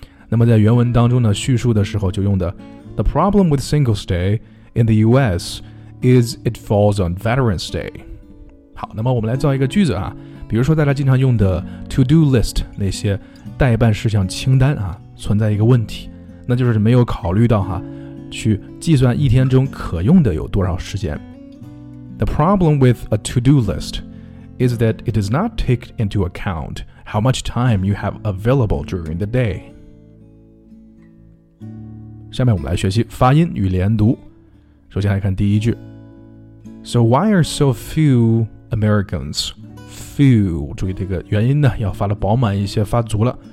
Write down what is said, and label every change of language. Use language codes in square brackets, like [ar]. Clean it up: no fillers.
[zh] 那么在原文当中呢，叙述的时候就用的 [en] The problem with Singles Day in the US is it falls on Veterans Day。 [zh] 好，那么我们来造一个句子啊，比如说大家经常用的 to do list 那些代办事项清单啊，存在一个问题，那就是没有考虑到哈，去计算一天中可用的有多少时间。 [en] The problem with a to-do list is that it does not take into account how much time you have available during the day. [zh] 下面我们来学习发音与连读。首先来看第一句。 [en] So why are so few Americans? [zh] Few, 注意这个元音呢，要发的饱满一些，发足了。